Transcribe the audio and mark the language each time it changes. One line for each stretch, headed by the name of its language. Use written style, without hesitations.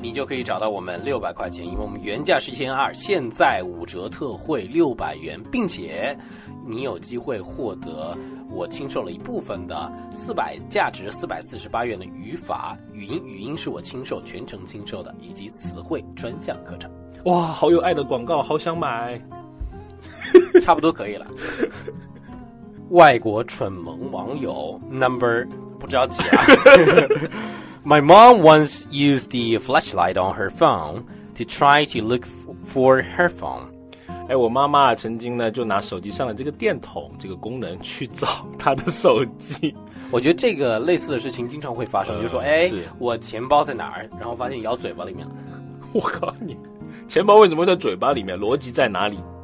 Chinese: 你就可以找到我们600块钱，因为我们原价是1200，现在5折特惠600元，并且你有机会获得我亲授了一部分的价值448元的语法语音，是我亲授，全程亲授的，以及词汇专项课程。哇，好有爱的广告，好想买。差不多可以了。外国蠢萌网友 number 不着急啊。
English: My mom once used the flashlight on her phone to try to look for her phone.
Chinese: 哎，我妈妈曾经呢就拿手机上的这个电筒这个功能去找她的手机。我觉得这个类似的事情经常会发生，就说哎，我钱包在哪儿，然后发现咬嘴巴里面。我靠，你钱包为什么在嘴巴里面？逻辑在哪里？